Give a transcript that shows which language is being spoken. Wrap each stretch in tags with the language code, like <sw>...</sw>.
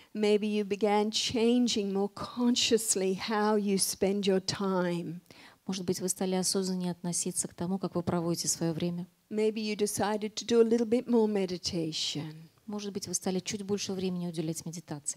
<en>Maybe you began changing more consciously how you spend your time.</en> <ru>Может быть, вы стали осознаннее относиться к тому, как вы проводите свое время.</ru> <en>Maybe you decided to do a little bit more meditation.</en> <ru>Может быть, вы стали чуть больше времени уделять медитации.</ru>